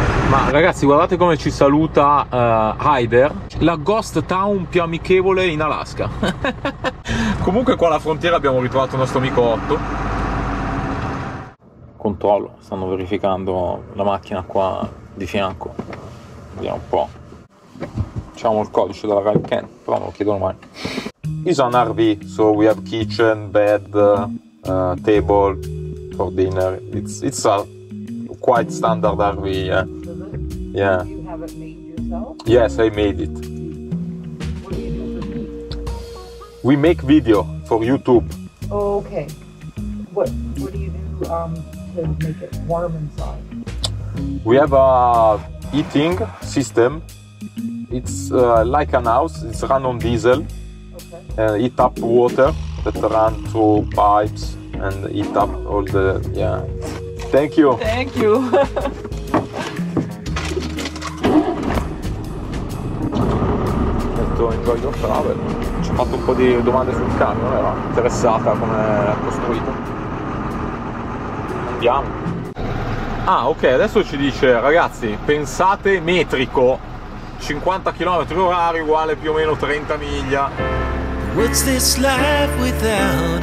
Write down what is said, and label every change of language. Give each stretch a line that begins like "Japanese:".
Italian: Ma ragazzi, guardate come ci saluta Hyder, la ghost town più amichevole in Alaska. Comunque qua alla frontiera abbiamo ritrovato il nostro amico Otto. Controllo, stanno verificando la macchina qua di fianco. Vediamo un po'. C'è il codice della Ralken, però non lo chiedono mai.
English: It's an RV, so we have kitchen, bed, table for dinner. It's a quite standard RV, yeah. Yeah. You have it made yourself? Yes, I made it. What do you do for me? We make video for YouTube. Oh, okay. What do you do to make it warm inside? We have a heating system. It's like an house. It's run on diesel. Okay. And heat up water that run through pipes and heat up all the, yeah. Thank you. Thank you. Enjoy your travel.
Italian: Ci ho fatto un po' di domande sul camion, era interessata come è costruito. Andiamo. Ah, ok, adesso ci dice, ragazzi, pensate metrico, 50 km orari uguale più o meno 30 miglia.
English: What's this life without